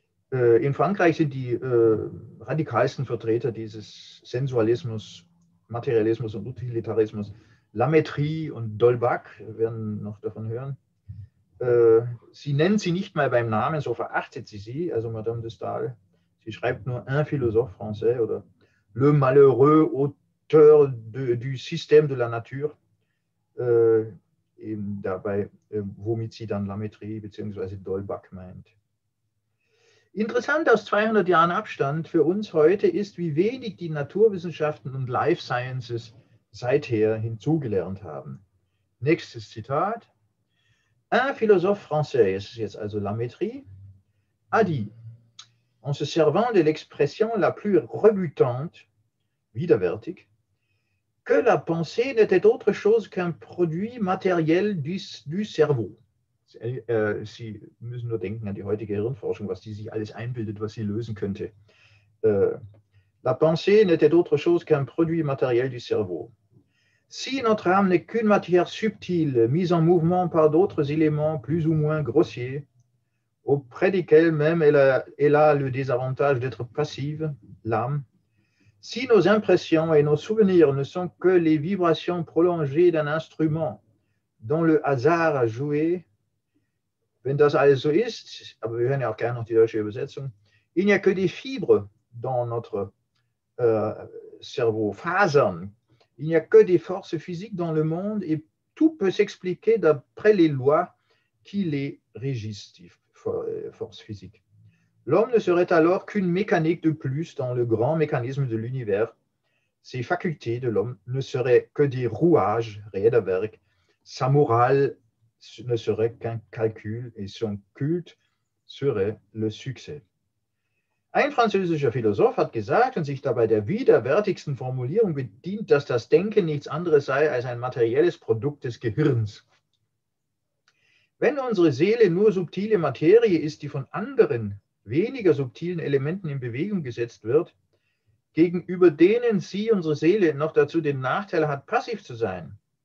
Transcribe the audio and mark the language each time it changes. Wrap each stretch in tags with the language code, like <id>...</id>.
<de>In Frankreich sind die radikalsten Vertreter dieses Sensualismus, Materialismus und Utilitarismus Lametrie und Dolbach, wir werden noch davon hören. Sie nennt sie nicht mal beim Namen, so verachtet sie sie, also Madame de Staël. Sie schreibt nur</de> <fr>Un philosophe français oder Le malheureux auteur du système de la nature.</fr> <de>Eben dabei, womit sie dann Lametrie bzw. Dolbach meint. Interessant aus 200 Jahren Abstand für uns heute ist, wie wenig die Naturwissenschaften und Life Sciences seither hinzugelernt haben. Nächstes Zitat.</de> <fr>Un philosophe français,</fr> <de>es ist jetzt also Lametrie,</de> <fr>a dit, en se servant de l'expression la plus rebutante, widerwärtig, que la pensée n'était autre chose qu'un produit matériel du cerveau.</fr> <de>Sie müssen nur denken an die heutige Hirnforschung, was die sich alles einbildet, was sie lösen könnte.</de> <fr>La pensée n'était autre chose qu'un produit matériel du cerveau. Si notre âme n'est qu'une matière subtile, mise en mouvement par d'autres éléments plus ou moins grossiers, auprès desquels même elle a le désavantage d'être passive, l'âme, si nos impressions et nos souvenirs ne sont que les vibrations prolongées d'un instrument dont le hasard a joué,</fr> <de>wenn das alles so ist, aber wir hören ja auch gerne noch die deutsche Übersetzung,</de> <fr>il n'y a que des fibres dans notre cerveau, Fasern, il n'y a que des forces physiques dans le monde et tout peut s'expliquer d'après les lois qui les régissent, die forces physiques. L'homme ne serait alors qu'une mécanique de plus dans le grand mécanisme de l'univers. ces facultés de l'homme ne seraient que des rouages, Räderwerk. Sa morale ne serait qu'un calcul et son culte serait le succès.</fr> <de>Ein französischer Philosoph hat gesagt und sich dabei der widerwärtigsten Formulierung bedient, dass das Denken nichts anderes sei als ein materielles Produkt des Gehirns. Wenn unsere Seele nur subtile Materie ist, die von anderen, weniger subtilen Elementen in Bewegung gesetzt wird, gegenüber denen sie, unsere Seele, noch dazu den Nachteil hat, passiv zu sein.</de>